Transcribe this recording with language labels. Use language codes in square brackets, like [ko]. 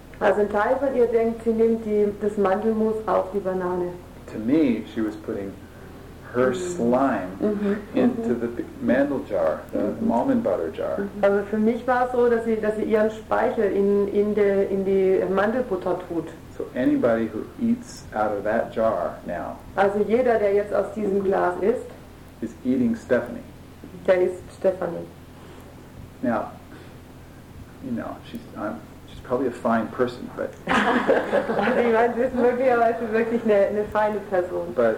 [de] Also ein Teil von ihr denkt, sie nimmt das Mandelmus auf die Banane. [en] To me, she was putting her slime into the mandel jar, the almond butter jar. [de] Also für mich war es so, dass sie ihren Speichel in die Mandelbutter tut. [en] So anybody who eats out of that jar now. [de] Also jeder, der jetzt aus diesem Glas isst, [en] is eating Stephanie. [de] Der isst Stephanie. [en] Now, you know, she's probably a fine person, but. [de] Also ich meine, sie ist möglicherweise wirklich eine feine Person.